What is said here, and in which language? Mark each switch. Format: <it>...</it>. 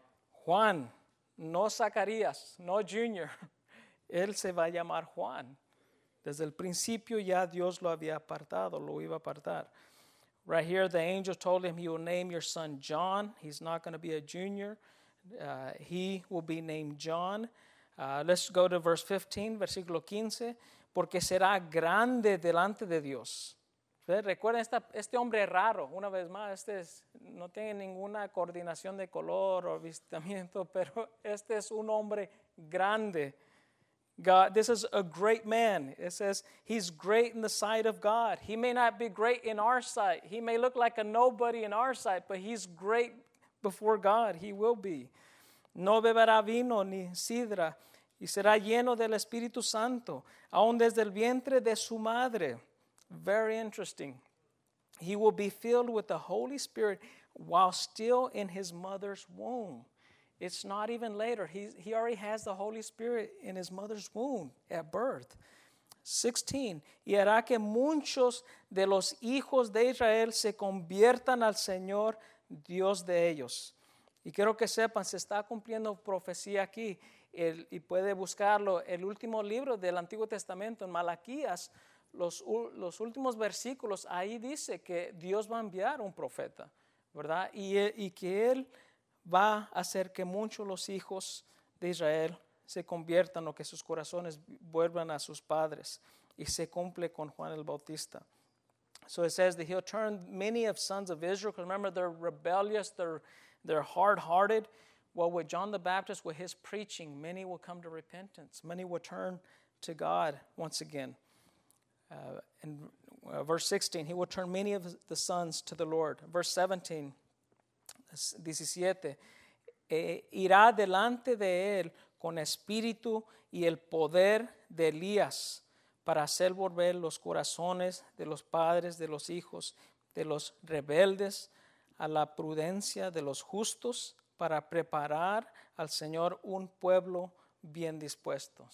<es>Juan, no Zacarías, no Junior. Él se va a llamar Juan. Desde el principio ya Dios lo había apartado, lo iba a apartar.</es> <en>Right here, the angel told him, you will name your son John. He's not going to be a junior. He will be named John. Let's go to verse 15,</en> <es>versículo 15. Porque será grande delante de Dios. Recuerden, este hombre raro, una vez más, no tiene ninguna coordinación de color o avistamiento, pero este es un hombre grande.</es> <en>God, this is a great man. It says he's great in the sight of God. He may not be great in our sight. He may look like a nobody in our sight, but he's great before God. He will be.</en> <es>No beberá vino ni sidra, y será lleno del Espíritu Santo, aun desde el vientre de su madre.</es> <en>Very interesting. He will be filled with the Holy Spirit while still in his mother's womb. It's not even later. He already has the Holy Spirit in his mother's womb at birth. 16.</en> <es>Y hará que muchos de los hijos de Israel se conviertan al Señor Dios de ellos. Y quiero que sepan, se está cumpliendo profecía aquí. Y puede buscarlo. El último libro del Antiguo Testamento, en Malaquías, los últimos versículos, ahí dice que Dios va a enviar un profeta, ¿verdad? Y que él va a hacer que muchos los hijos de Israel se conviertan o que sus corazones vuelvan a sus padres, y se cumple con Juan el Bautista.</es> <en>So it says that he'll turn many of sons of Israel, because remember, they're rebellious, they're hard-hearted. Well, with John the Baptist, with his preaching, many will come to repentance. Many will turn to God once again. Verse 16, he will turn many of the sons to the Lord. Verse 17,</en> <es>17, irá delante de él con espíritu y el poder de Elías para hacer volver los corazones de los padres, de los hijos, de los rebeldes a la prudencia de los justos para preparar al Señor un pueblo bien dispuesto.</es>